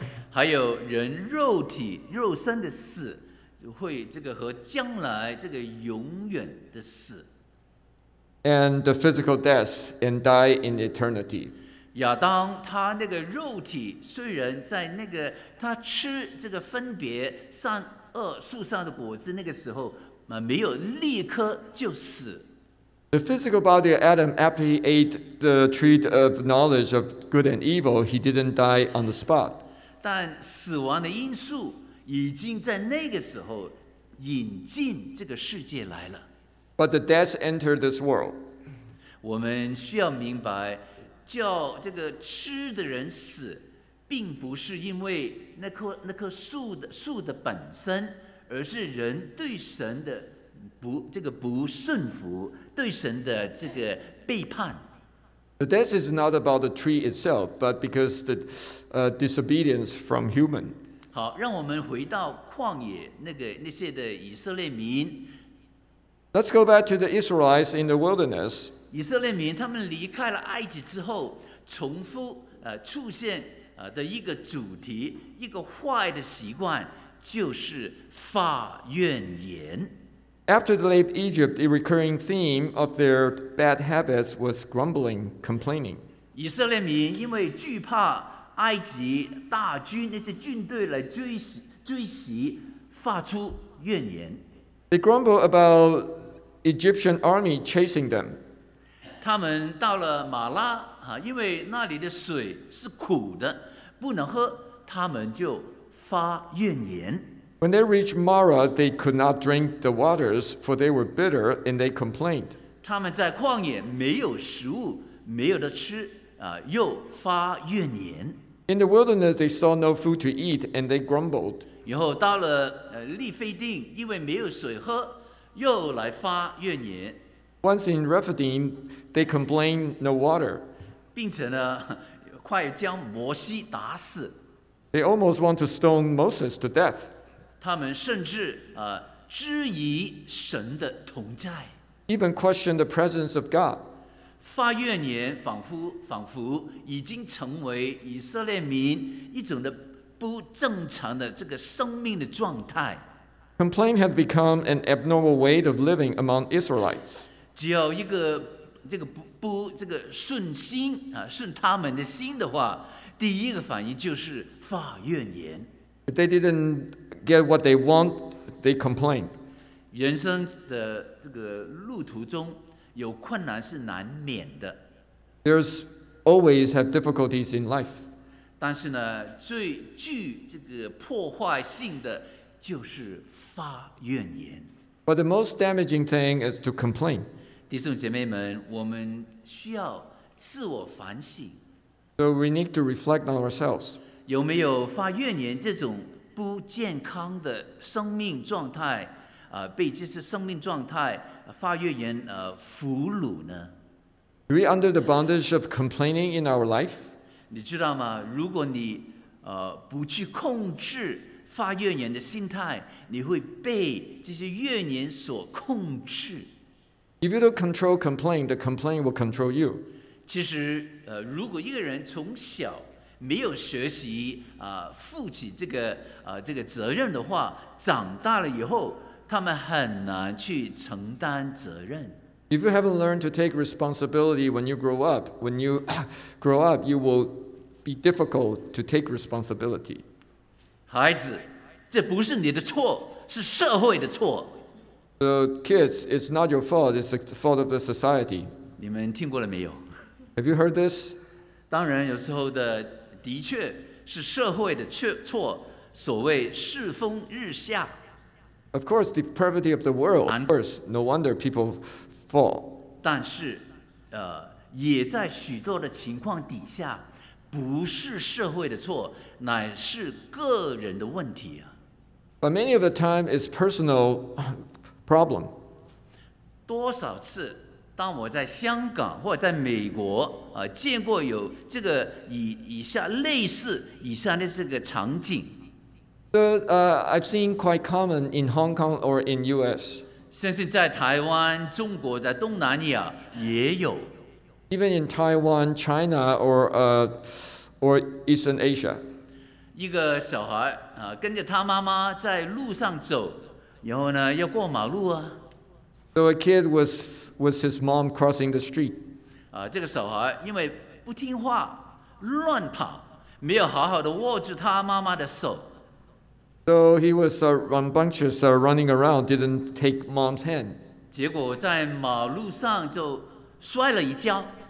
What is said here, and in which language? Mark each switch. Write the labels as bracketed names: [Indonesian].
[Chinese] 还有人肉身的死，会这个和将来这个永远的死。 [English] And the physical death and die in eternity. [Chinese] 亚当他那个肉体虽然在那个他吃这个分别善恶树上的果子那个时候没有立刻就死。 [English] The physical body of Adam after he ate the tree of knowledge of good and evil, he didn't die on the spot. [Chinese] 但死亡的因素已经在那个时候引进这个世界来了。 [English] But the death entered this world. [Chinese] 我们需要明白，叫这个吃的人死，并不是因为那棵树的本身，而是人对神的不顺服，对神的这个背叛。 [English] The death is not about the tree itself, but because the disobedience from human. [Chinese] 好，让我们回到旷野那些的以色列民。 [English] Let's go back to the Israelites in the wilderness. [Chinese] 以色列民他们离开了埃及之后，重复出现的一个主题，一个坏的习惯，就是发怨言。 [English] After they left Egypt, a recurring theme of their bad habits was grumbling, complaining. [Chinese] 以色列民因为惧怕埃及大军那些军队来追袭，发出怨言。 [English] They grumble about Egyptian army chasing them. [Chinese] 他们到了马拉，因为那里的水是苦的，不能喝，他们就发怨言。 [English] When they reached Mara, they could not drink the waters, for they were bitter, and they complained. [Chinese] 他们在旷野没有食物，没有的吃，又发怨言。 [English] In the wilderness, they saw no food to eat, and they grumbled. [Chinese] 以后到了利非定，因为没有水喝，又来发怨言。 [English] Once in Rephidim, they complained no water. [Chinese] 并且呢，快将摩西打死。 [English] They almost want to stone Moses to death. [Chinese] 他们甚至质疑神的同在。 [English] Even question the presence of God. [Chinese] 发怨言仿佛已经成为以色列民一种的不正常的这个生命的状态。 [English] Complaint had become an abnormal way of living among Israelites. [Chinese] 只要一个这个不这个顺心啊，顺他们的心的话，第一个反应就是发怨言。 [English] If they didn't get what they want, they complain. [Chinese] 人生的这个路途中有困难是难免的。 [English] There's always have difficulties in life. [Chinese] 但是呢，最具这个破坏性的就是发怨言。 [English] But the most damaging thing is to complain. [Chinese] 弟兄姐妹们，我们需要自我反省。 [English] So we need to reflect on ourselves. [Chinese] 有没有发怨言这种不健康的生命状态？被这些生命状态发怨言俘虏呢 [English] ？Are we under the bondage of complaining in our life? [Chinese] 你知道吗？如果你不去控制发怨言的心态，你会被这些怨言所控制。 [English] If you don't control complaint, the complaint will control you. [Chinese] 其实，如果一个人从小没有学习负起这个责任的话，长大了以后，他们很难去承担责任。 [English] If you haven't learned to take responsibility when you grow up, you will be difficult to take responsibility. [Chinese] 孩子，这不是你的错，是社会的错。 [English] The kids, it's not your fault. It's the fault of the society. [Chinese] 你们听过了没有 [English] ？Have you heard this? [Chinese] 当然有时候的的确是社会的错，所谓世风日下。 [English] Of course, the depravity of the world. Of course, no wonder people fall. [Chinese] 但是，也在许多的情况底下，不是社会的错，乃是个人的问题啊。 [English] But many of the time is personal problem. [Chinese] 多少次，当我在香港或者在美国，见过有这个以下的这个场景。 [English] I've seen quite common in Hong Kong or in U.S. [Chinese] 甚至在台湾、中国、在东南亚也有。 [English] Even in Taiwan, China, or Eastern Asia. [Chinese] 一个小孩跟着他妈妈在路上走，然后呢要过马路啊。 [English] So a kid was his mom crossing the street. [Chinese] 这个小孩因为不听话乱跑，没有好好的握住他妈妈的手。 [English] So he was rambunctious, running around, didn't take mom's hand. [Chinese] 结果在马路上就摔了一跤。